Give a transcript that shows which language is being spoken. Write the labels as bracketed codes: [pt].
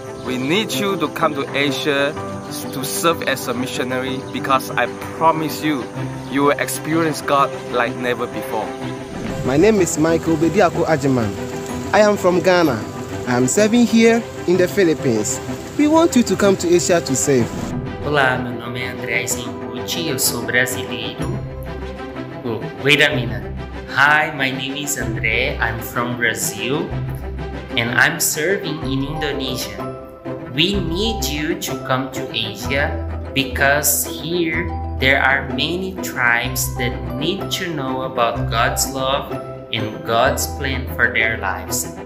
[en] We need you to come to Asia to serve as a missionary because I promise you, you will experience God like never before. My name is Michael Bediako Ajiman. I am from Ghana. I am serving here in the Philippines. We want you to come to Asia to serve. [pt] Olá, meu nome é André Zinucci, eu sou brasileiro. [en] Oh, wait a minute. Hi, my name is André. I'm from Brazil and I'm serving in Indonesia. We need you to come to Asia because here there are many tribes that need to know about God's love and God's plan for their lives.